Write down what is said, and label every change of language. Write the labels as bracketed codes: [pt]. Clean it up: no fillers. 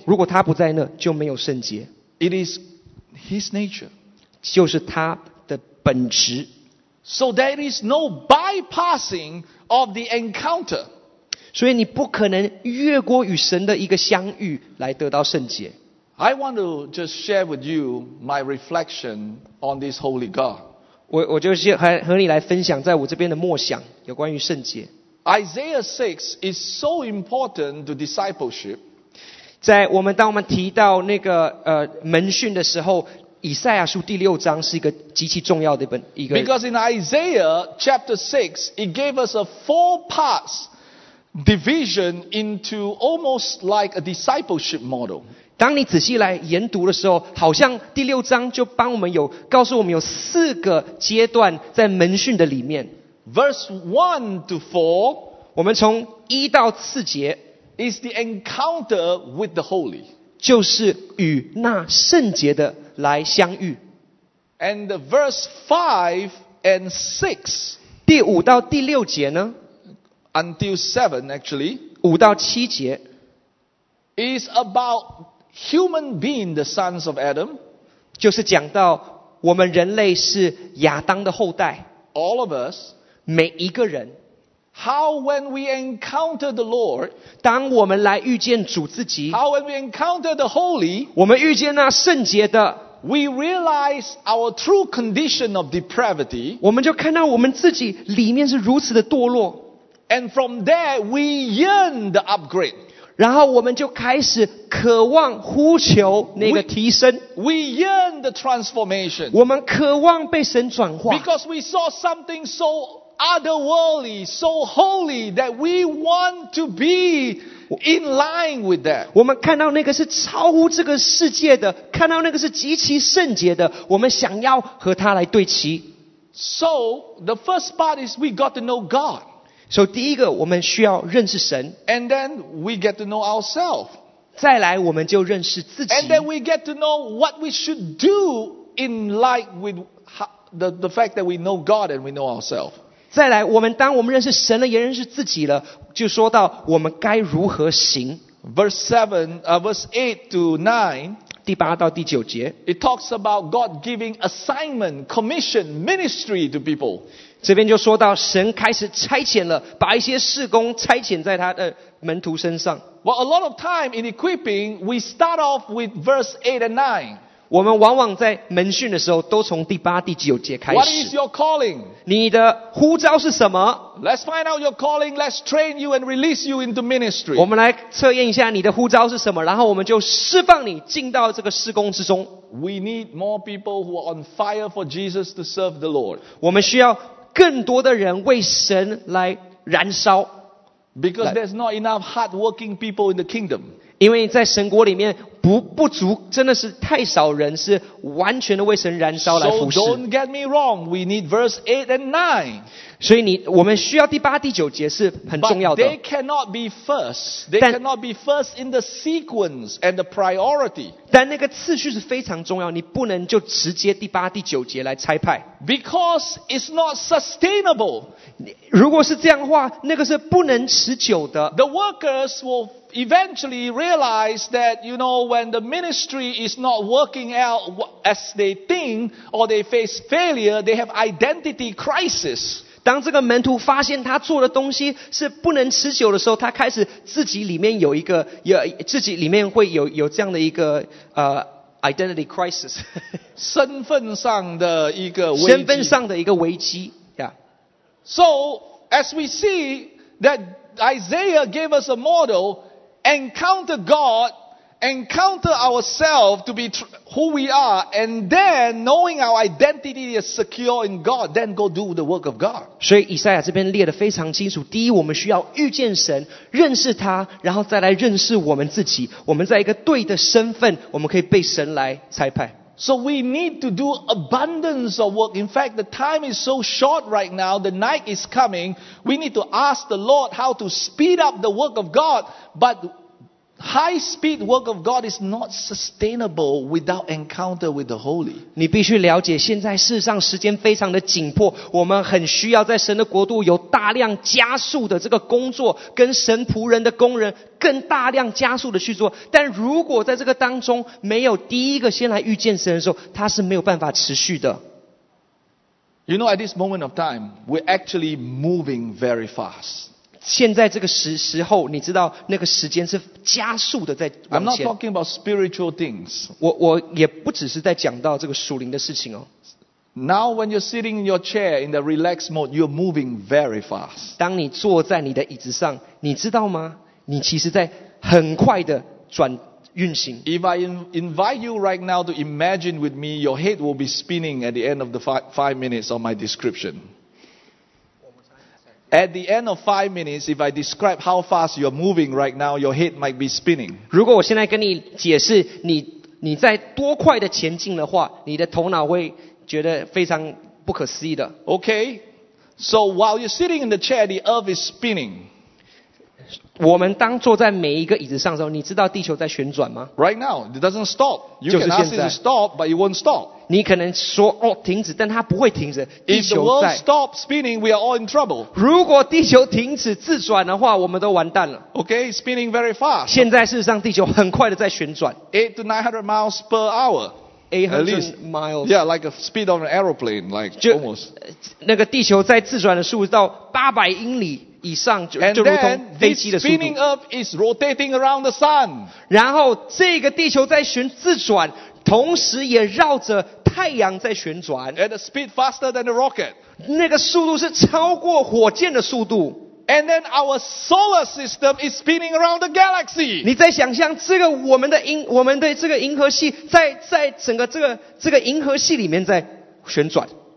[zh] 如果他不在那，就没有圣洁。 [en] It is his nature. [zh] 就是他的本质。 [en] So there is no bypassing of the encounter. [zh] 所以你不可能越过与神的一个相遇来得到圣洁。 [en] I want to just share with you my reflection on this holy God. [zh] 我就是和你来分享在我这边的默想有关于圣洁。 [en] Isaiah 6 is so important to discipleship. [zh] 在我们当我们提到那个门训的时候，以赛亚书第六章是一个极其重要的一个。 [en] Because in Isaiah chapter 6, it gave us a four parts division into almost like a discipleship model. [zh] 当你仔细来研读的时候，好像第六章就帮我们有告诉我们有四个阶段在门训的里面。 [en] Verse 1 to 4, [zh] 我们从一到四节。 [en] is the encounter with the holy. [zh] 就是与那圣洁的来相遇。 [en] And verse 5 and 6, [zh] 第五到第六节呢? [en] Until 7 actually, [zh] 五到七节, [en] is about human being, the sons of Adam. [zh] 就是讲到我们人类是亚当的后代。 [en] All of us, [zh] 每一个人。 [en] How when we encounter the Lord, [zh] 当我们来遇见主自己, [en] How when we encounter the holy, [zh] 我们遇见那圣洁的, [en] We realize our true condition of depravity, [zh] 我们就看到我们自己里面是如此的堕落, [en] And from there we yearn the upgrade, [zh] 然后我们就开始渴望呼求那个提升, [en] We yearn the transformation, [zh] 我们渴望被神转化, [en] Because we saw something so otherworldly, so holy that we want to be in line with that. [zh] 我们看到那个是超乎这个世界的，看到那个是极其圣洁的，我们想要和他来对齐。 [en] So the first part is we got to know God. [zh] So 第一个我们需要认识神。 [en] And then we get to know ourselves. [zh] 再来我们就认识自己。 [en] And then we get to know what we should do in line with the fact that we know God and we know ourselves. [zh] 再来，我们当我们认识神了，也认识自己了，就说到我们该如何行。 [en] Verse 8 to 9, [zh] 第八到第九节 [en] ，It talks about God giving assignment, commission, ministry to people。 [zh] 这边就说到神开始差遣了，把一些事工差遣在他的门徒身上。 [en] Well, a lot of time in equipping, we start off with verse 8 and 9. [zh] 我们往往在门训的时候都从第八、第九节开始。 [en] What is your calling? [zh] 你的呼召是什么？ [en] Let's find out your calling. Let's train you and release you into ministry. [zh] 我们来测验一下你的呼召是什么，然后我们就释放你进到这个事工之中。 [en] We need more people who are on fire for Jesus to serve the Lord. [zh] 我们需要更多的人为神来燃烧。 [en] Because there's not enough hardworking people in the kingdom. [zh] 因为在神国里面不足，真的是太少人是完全的为神燃烧来服侍。 [en] So don't get me wrong, we need verse 8 and 9. [zh] 所以我们需要第八、第九节是很重要的。 [en] But they cannot be first. They cannot be first in the sequence and the priority. [zh] 但那个次序是非常重要，你不能就直接第八、第九节来差派。 [en] Because it's not sustainable. [zh] 如果是这样的话，那个是不能持久的。 [en] The workers will. Eventually realize that, you know, when the ministry is not working out as they think, or they face failure, they have identity crisis. [zh] 当这个门徒发现他做的东西是不能持久的时候，他开始自己里面有一个，自己里面会有这样的一个 [en] identity crisis. [zh] 身份上的一个危机。身份上的一个危机。Yeah. [en] So, as we see that Isaiah gave us a model,Encounter God, encounter ourselves to be who we are, and then knowing our identity is secure in God, then go do the work of God. [zh] 所以以赛亚这边列得非常清楚，第一，我们需要遇见神，认识他，然后再来认识我们自己。我们在一个对的身份，我们可以被神来差派。 [en] So we need to do abundance of work. In fact, the time is so short right now. The night is coming. We need to ask the Lord how to speed up the work of God. But high speed work of God is not sustainable without encounter with the Holy. [zh] 你必须了解，现在事实上时间非常的紧迫，我们很需要在神的国度有大量加速的这个工作，跟神仆人的工人更大量加速的去做，但如果在这个当中没有第一个先来遇见神的时候，他是没有办法持续的。 [en] You know, at this moment of time, we're actually moving very fast. [zh] 现在这个时候，你知道那个时间是加速的在往前。 [en] I'm not talking about spiritual things. [zh] 我也不只是在讲到这个属灵的事情哦。 [en] Now when you're sitting in your chair in the relaxed mode, you're moving very fast. [zh] 当你坐在你的椅子上，你知道吗？你其实在很快的转运行。 [en] If I invite you right now to imagine with me, your head will be spinning at the end of the five minutes of my description. At the end of 5 minutes, if I describe how fast you're moving right now, your head might be spinning. [zh] 如果我现在跟你解释你在多快的前进的话，你的头脑会觉得非常不可思议的。 [en] Okay, so while you're sitting in the chair, the earth is spinning. [zh] 我们当坐在每一个椅子上的时候，你知道地球在旋转吗？ [en] Right now, it doesn't stop. You can ask it to stop, but it won't stop. [zh] 你可能说哦停止，但它不会停止。地球在。 [en] If the world stops spinning, we are all in trouble. [zh] 如果地球停止自转的话，我们都完蛋了。 [en] Okay, spinning very fast. [zh] 现在事实上地球很快的在旋转。 [en] 800 to 900 miles per hour. At least, miles. Yeah, like a speed of an aeroplane, like almost. [zh] 那个地球在自转的速度到800英里。以上 就如同飞机的速度。 [en] And then this spinning up is rotating around the sun. [zh] 然后这个地球在旋自转，同时也绕着太阳在旋转。 [en] At a speed faster than a rocket. [zh] 那个速度是超过火箭的速度。 [en] And then our solar system is spinning around the galaxy. [zh] 你在想象这个我们的这个银河系在整个这个银河系里面在旋转。